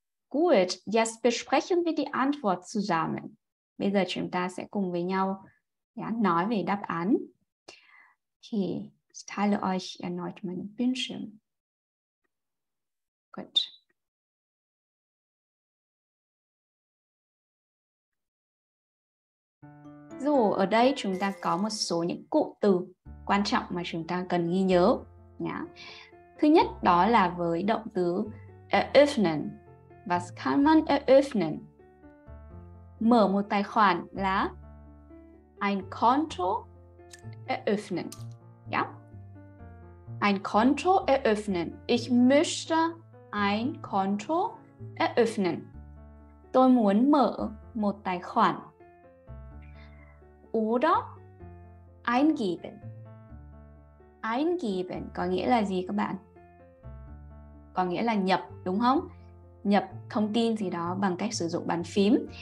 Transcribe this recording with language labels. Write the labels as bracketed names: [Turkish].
[German] Gut, jetzt besprechen wir die Antwort zusammen. [Vietnamese] Bây giờ chúng ta sẽ cùng với nhau nói về đáp án. [German] Okay, ich teile euch erneut meinen Bildschirm. Gut. [Vietnamese] Dù ở đây chúng ta có một số những cụm từ quan trọng mà chúng ta cần ghi nhớ nhá. Thứ nhất đó là với động từ eröffnen. [German] Was kann man eröffnen? [Vietnamese] Mở một tài khoản là [German] ein Konto eröffnen. Ja? Ein Konto eröffnen. Ich möchte ein Konto eröffnen. [Vietnamese] Tôi muốn mở một tài khoản. [German] Oder eingeben. Eingeben [Vietnamese] có nghĩa là gì các bạn? Có nghĩa là nhập, đúng không? Nhập thông tin gì đó bằng cách sử dụng bàn phím.